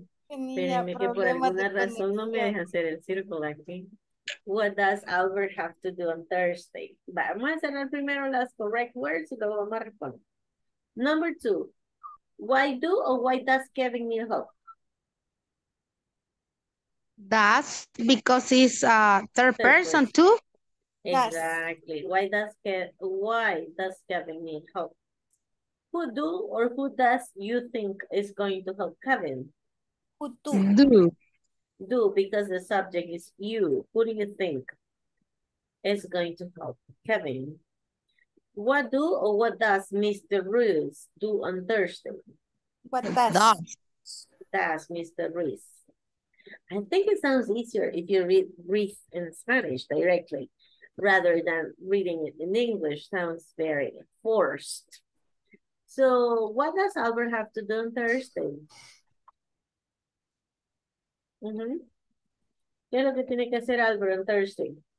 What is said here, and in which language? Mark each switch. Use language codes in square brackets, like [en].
[es] Espérenme que por alguna razón no me deja hacer el círculo aquí. [en] What does Albert have to do on Thursday? [es] Vamos a hacer primero las [en] correct words [es] y luego vamos a responder. [en] Number two. Why do or why does Kevin need help? Does, because he's a third person too. Exactly. Why does Kevin need help? Who do or who does you think is going to help Kevin? Do, because the subject is you. Who do you think is going to help? Kevin. What do or what does Mr. Ruiz do on Thursday? What does Mr. Ruiz? I think it sounds easier if you read Ruiz in Spanish directly rather than reading it in English. Sounds very forced. So what does Albert have to do on Thursday? [es] ¿Qué es lo que tiene que hacer Albert [en] on Thursday?